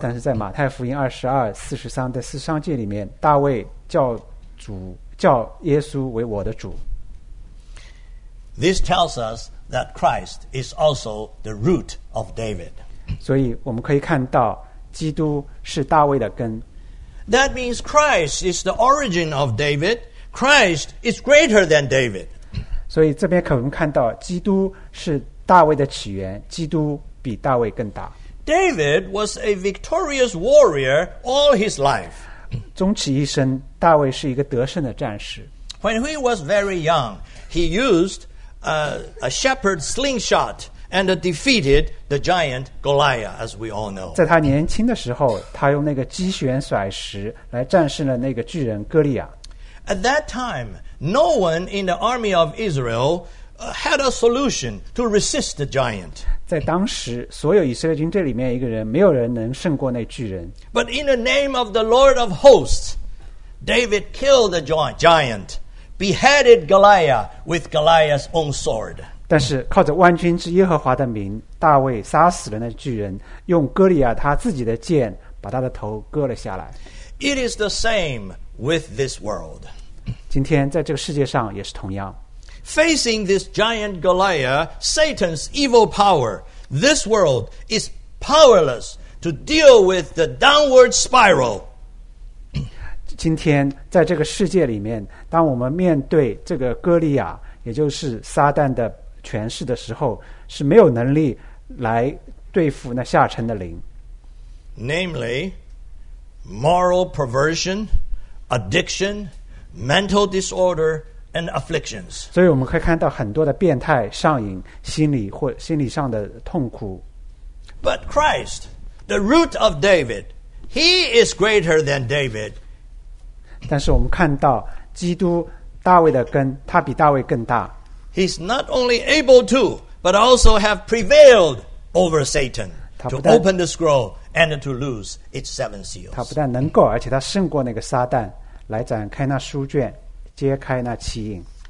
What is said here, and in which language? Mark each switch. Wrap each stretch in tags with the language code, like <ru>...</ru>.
<zh>但是在马太福音22:43-43节里面，大卫叫主叫耶稣为我的主。</zh> <en>This tells us that Christ is also the root of David.</en> <zh>所以我们可以看到基督是大卫的根。</zh> <en>That means Christ is the origin of David. Christ is greater than David.</en> <zh>所以这边可我们看到基督是大卫的起源，基督比大卫更大。</zh> <en>David was a victorious warrior all his life.</en> <zh>终其一生，大卫是一个得胜的战士。</zh> <en>When he was very young, he used a shepherd slingshot and defeated the giant Goliath, as we all know.</en> <zh>在他年轻的时候，他用那个鸡旋甩石来战胜了那个巨人哥利亚。</zh> <en>At that time, no one in the army of Israel had a solution to resist the giant.</en> <zh>在当时，所有以色列军队里面一个人，没有人能胜过那巨人。</zh> <en>But in the name of the Lord of hosts, David killed the giant. Beheaded Goliath with Goliath's own sword.</en> <zh>但是靠着万军之耶和华的名，大卫杀死了那巨人，用哥利亚他自己的剑把他的头割了下来。</zh> <en>It is the same with this world.</en> <zh>今天在这个世界上也是同样。</zh> <en>Facing this giant Goliath, Satan's evil power, this world is powerless to deal with the downward spiral.</en> <zh>今天在这个世界里面，当我们面对这个哥利亚，也就是撒旦的权势的时候，是没有能力来对付那下沉的灵。</zh> <en>Namely, moral perversion, addiction, mental disorder, and afflictions.</en> <zh>所以我们可以看到很多的变态、上瘾、心理或心理上的痛苦。</zh> <en>But Christ, the root of David, he is greater than David.</en> <zh>但是我们看到基督大卫的根，他比大卫更大。</zh> <en>He's not only able to, but also have prevailed over Satan to open the scroll and to lose its seven seals.</en> <zh>他不但能够，而且他胜过那个撒旦，来展开那书卷，揭开那七印。</zh>